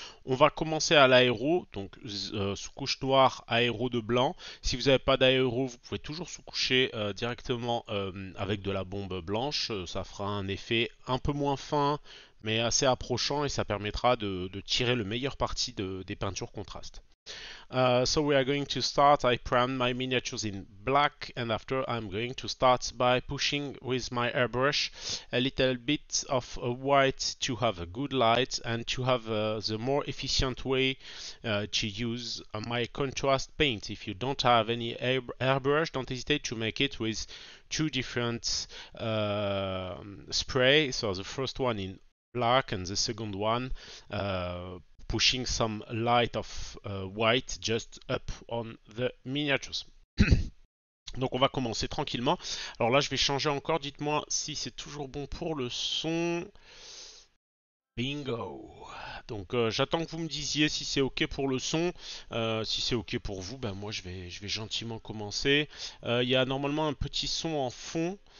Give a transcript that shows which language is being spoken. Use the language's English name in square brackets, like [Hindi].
[French] On va commencer à l'aéro, donc sous couche noire, aéro de blanc. Si vous n'avez pas d'aéro, vous pouvez toujours sous coucher directement avec de la bombe blanche. Ça fera un effet un peu moins fin, mais assez approchant, et ça permettra de tirer le meilleur parti des peintures contraste. [English] So we are going to start. I prime my miniatures in black, and after I'm going to start by pushing with my airbrush a little bit of white to have a good light and to have the more efficient way to use my contrast paint. If you don't have any airbrush, don't hesitate to make it with two different spray. So the first one in black and the second one pushing some light of white just up on the miniatures. [French] Donc on va commencer tranquillement. Alors là je vais changer encore, dites-moi si c'est toujours bon pour le son. Bingo. Donc j'attends que vous me disiez si c'est ok pour le son. Si c'est ok pour vous, ben moi je vais gentiment commencer. Il y a normalement un petit son en fond.